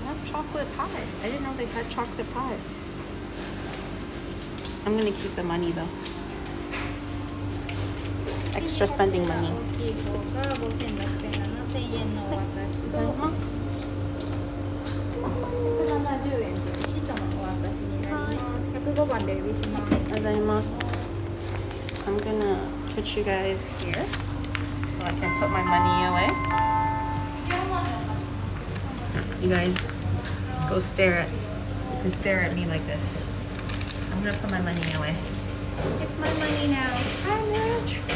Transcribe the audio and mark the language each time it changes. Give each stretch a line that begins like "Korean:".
English: Chocolate pie. I didn't know they had chocolate pie. I'm gonna keep the money though. Extra spending money. Thank you.
Japanese: 5,700円のお渡しになります。170円。シートのお渡しになります。105番でお呼びします。ありがとうございます。
English: I'm gonna put you guys here so I can put my money away. You guys. Go stare at, you can stare at me like this. I'm gonna put my money away. It's my money now. Hi, Mitch.